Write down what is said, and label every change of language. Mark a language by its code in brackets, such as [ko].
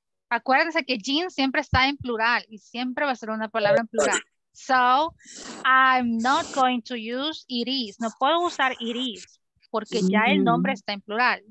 [es] Acuérdense que jeans siempre está en plural y siempre va a ser una palabra en plural. [en] So, I'm not going to use it is. [es] No puedo usar [en] it is [es] porque ya el nombre está en plural.